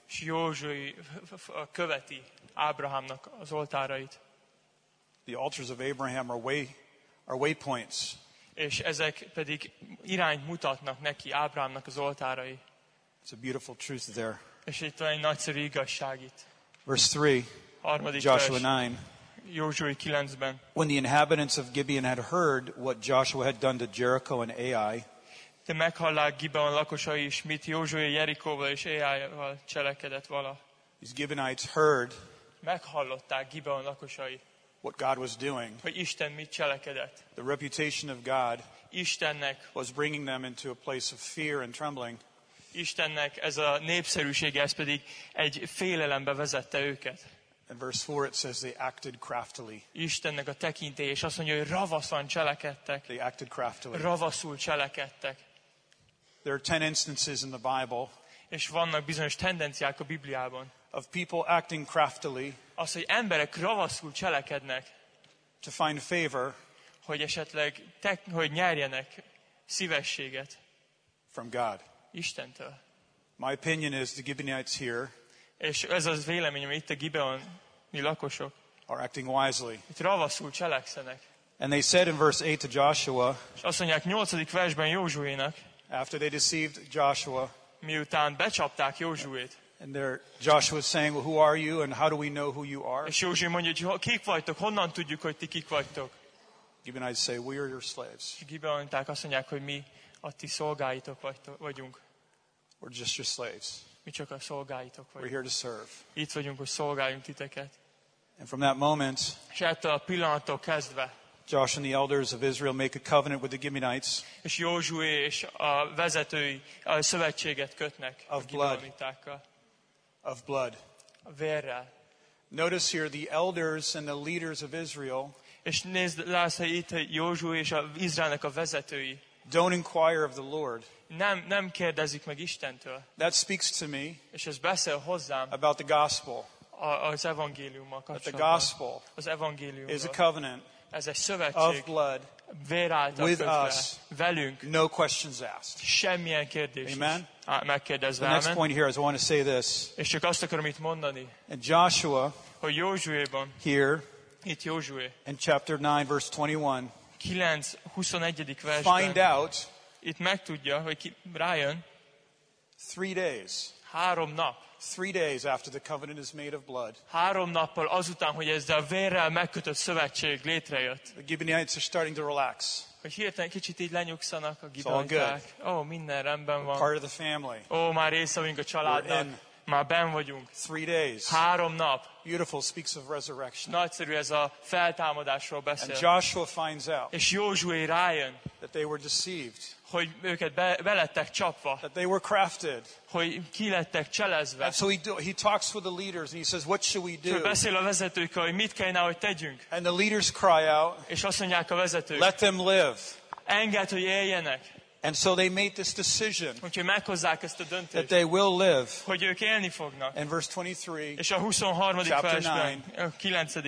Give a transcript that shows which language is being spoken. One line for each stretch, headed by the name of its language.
Hungarian: és Józsué követi Ábrahámnak az oltárait.
English: The altars of Abraham are waypoints,
Hungarian: és ezek pedig irányt mutatnak neki Ábrahámnak az oltárai.
English: It's a beautiful truth there.
Hungarian: És itt van egy nagyszerű igazság itt.
English: Verse 3, Joshua 9.
Hungarian: Józsué 9-ben.
English: When the inhabitants of Gibeon had heard what Joshua had done to Jericho and Ai.
Hungarian: De meghallák Gibeon lakosai is, mit Józsué Jerikóval és Ai-val cselekedett vala.
English: These Gibeonites heard.
Hungarian: Meghallották Gibeon lakosai.
English: What God was doing.
Hungarian: Hogy Isten mit cselekedett.
English: The reputation of God.
Hungarian: Istennek.
English: Was bringing them into a place of fear and trembling.
Hungarian: Istennek ez a népszerűsége, ez pedig egy félelembe vezette őket.
English: In verse 4 it says they acted craftily.
Hungarian: Istennek a tekintélye, és azt mondja, hogy ravaszan cselekedtek.
English: They acted craftily.
Hungarian: Ravaszul cselekedtek.
English: There are 10 instances in the Bible.
Hungarian: és vannak bizonyos tendenciák a Bibliában.
English: Of people acting craftily.
Hungarian: Az, hogy emberek ravaszul cselekednek.
English: To find favor.
Hungarian: Hogy esetleg hogy nyerjenek szívességet.
English: From God.
Hungarian: Istentől.
English: My opinion is the Gibeonites here.
Hungarian: És ez az véleményem, itt a Gibeoni lakosok.
English: Are acting wisely.
Hungarian: Itt ravaszul cselekszenek.
English: And they said in verse 8 to Joshua.
Hungarian: És azt mondják 8. versben Józsuénak.
English: After they deceived Joshua.
Hungarian: Miután becsapták Józsuét.
English: And there Joshua is saying, well, who are you and how do we know who you are?
Hungarian: És Józsué mondja, kik vagytok, honnan tudjuk, hogy ti kik vagytok?
English: Gibeonites say, we are your slaves.
Hungarian: Gibeonták azt mondják, hogy mi a ti szolgáitok vagyunk.
English: We're just your slaves.
Hungarian: Mi csak a szolgáitok vagyunk.
English: We're here to serve.
Hungarian: Itt vagyunk, hogy szolgáljunk titeket.
English: And from that moment,
Hungarian: és ettől a pillanattól kezdve,
English: Josh and the elders of Israel make a covenant with the Gibeonites.
Hungarian: És Józsué és a vezetői a szövetséget kötnek a Gibeonitákkal.
English: Of blood.
Hungarian: A vérre.
English: Notice here the elders and the leaders of Israel.
Hungarian: És nézd, látsz, hogy itt Józsué és az Izraelnek a vezetői.
English: Don't inquire of the Lord.
Hungarian: Nem kérdezik meg Istentől.
English: That speaks to me.
Hungarian: És ez beszél hozzám.
English: About the gospel.
Hungarian: Az evangéliummal kapcsolatban.
English: That the gospel.
Hungarian: Az evangéliumról.
English: Is a covenant.
Hungarian: Ez egy szövetség.
English: Of blood.
Hungarian: Vér által kötve.
English: With us.
Hungarian: Velünk.
English: No questions asked.
Hungarian: Semmilyen kérdés.
English: Amen.
Hungarian: Megkérdezve.
English: The next point here is I want to say this.
Hungarian: És csak azt akarom itt mondani.
English: And Joshua.
Hungarian: Hogy Józsuéban.
English: Here.
Hungarian: Itt Józsué.
English: In chapter 9 verse 21.
Hungarian: 9:21. Versben,
English: find out.
Hungarian: Itt megtudja, hogy ki rájön.
English: 3 days.
Hungarian: 3 nap.
English: 3 days after the covenant is made of blood.
Hungarian: 3 nappal azután, hogy ez a vérrel megkötött szövetség létrejött.
English: The Gibeonites are starting to relax.
Hungarian: Hogy hirtelen kicsit így lenyugszanak a Gibeonták. Ó, minden rendben van.
English: Part of the family.
Hungarian: Ó, már része vagyunk a családnak. Már benn vagyunk.
English: 3 days.
Hungarian: 3 nap.
English: Beautiful, speaks of resurrection.
Hungarian: Nagyszerű, ez a feltámadásról beszél.
English: And Joshua finds out.
Hungarian: És Józsué rájön.
English: That they were deceived.
Hungarian: Hogy őket belettek csapva.
English: That they were crafted.
Hungarian: Hogy kilettek cselezve.
English: And so he talks with the leaders and he says, what should we do?
Hungarian: Csak beszél a vezetőkkel, hogy mit kellene, hogy tegyünk.
English: And the leaders cry out.
Hungarian: És azt mondják a vezetők.
English: Let them live.
Hungarian: Engedd, hogy éljenek.
English: And so they made this decision.
Hungarian: Úgyhogy meghozzák ezt a döntést.
English: That they will live.
Hungarian: Hogy ők élni fognak.
English: In verse 23.
Hungarian: És a 23. versben. A 9.